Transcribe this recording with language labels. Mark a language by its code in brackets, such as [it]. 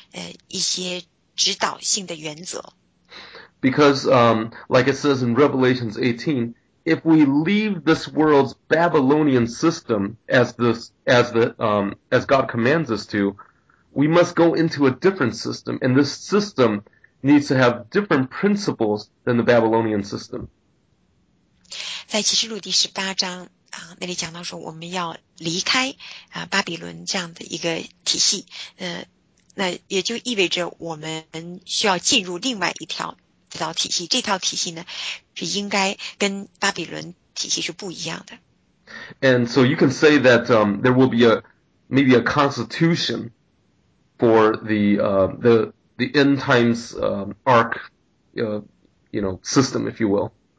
[zh] 那因为我们相信来做大收割和大黑暗这样的一些预备呢，也就是要求我们有像宪法这样子的一些指导性的原则。 [en] Because, like it says in Revelation 18, if we leave this world's Babylonian system as God commands us to, we must go into a different system, and this system needs to have different principles than the Babylonian system. [zh] 在启示录第十八章，那里讲到说我们要离开巴比伦这样的一个体系，那也就意味着我们需要进入另外一条。这套体系，这套体系呢，是应该跟巴比伦体系是不一样的。 [en] And so you can say that there will be a maybe a constitution for the end times arc you know system if you will.